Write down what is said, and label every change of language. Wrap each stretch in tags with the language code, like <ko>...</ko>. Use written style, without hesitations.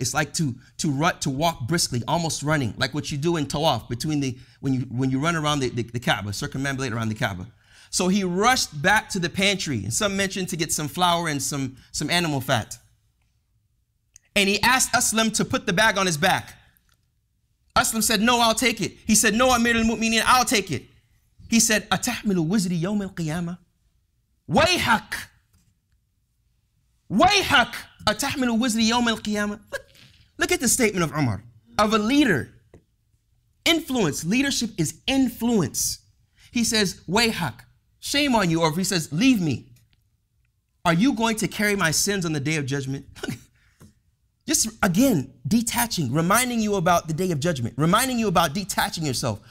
<en>It's like to walk briskly, almost running, like what you do in tawaf, between when you run around the Kaaba, circumambulate around the Kaaba. So he rushed back to the pantry, and some mentioned to get some flour and some animal fat. And he asked Aslam to put the bag on his back. Aslam said, no, I'll take it. He said, no, Amir al-Mu'mineen, I'll take it. He said,</en> <ar>أَتَحْمِلُ وِزْرِي يَوْمِ الْقِيَامَةِ وَيْحَكْ وَيْحَكْ أَتَحْمِلُ وِزْرِي يَوْمِ الْقِيَامَةِ.</ar> <en>Look at the statement of Umar, of a leader. Influence, leadership is influence. He says, وَيْحَكْ, shame on you. Or if he says, leave me, are you going to carry my sins on the day of judgment? Just again, detaching, reminding you about the day of judgment, reminding you about detaching yourself.</en>